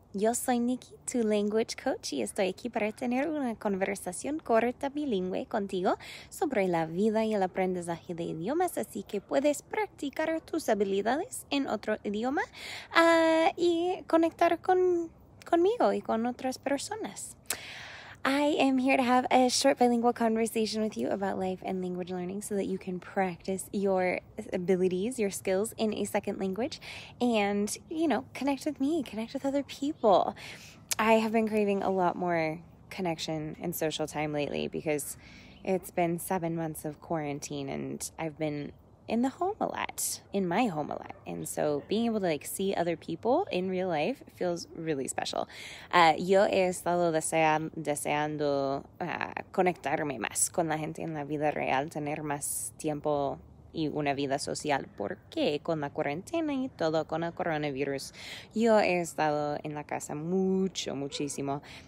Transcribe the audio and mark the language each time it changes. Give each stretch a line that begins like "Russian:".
Spanish: Yo soy Nikki, tu language coach, y estoy aquí para tener una conversación corta bilingüe contigo sobre la vida y el aprendizaje de idiomas, así que puedes practicar tus habilidades en otro idioma y conectar conmigo y con otras personas.
English: I am here to have a short bilingual conversation with you about life and language learning so that you can practice your abilities, your skills in a second language and, you know, connect with me, connect with other people. I have been craving a lot more connection and social time lately because it's been 7 months of quarantine and I've been in my home a lot. And so being able to like see other people in real life feels really special.
Spanish: Yo he estado deseando conectarme más con la gente en la vida real, tener más tiempo y una vida social, porque con la cuarentena y todo, con el coronavirus, yo he estado en la casa mucho, muchísimo.